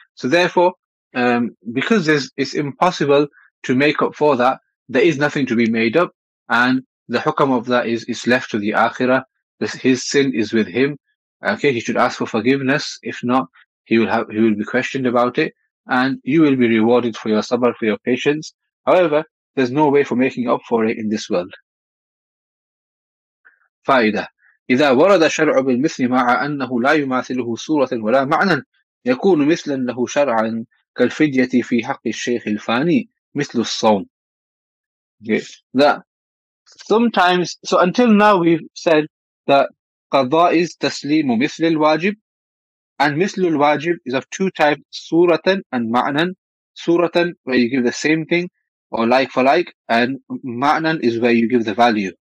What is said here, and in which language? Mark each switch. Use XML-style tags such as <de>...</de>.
<en>So therefore, because it's impossible to make up for that, there is nothing to be made up, and the hukam of that is left to the akhirah. His sin is with him. Okay, he should ask for forgiveness. If not, he will be questioned about it, and you will be rewarded for your sabr, for your patience. However, there's no way for making up for it in this world.</en> <ar>Faida: إذا ورد شرع بالمثل مع أنه لا يماثله صورة ولا معنى يكون مثلا له شرعا كالفدية في حق الشيخ الفاني مثل الصوم.</ar> <en>Okay. That sometimes, so until now we've said that qada is taslim mithl al-wajib, and mithl al-wajib is of two types, suratan and ma'nan. Suratan, where you give the same thing or like for like, and ma'nan is where you give the value.</en>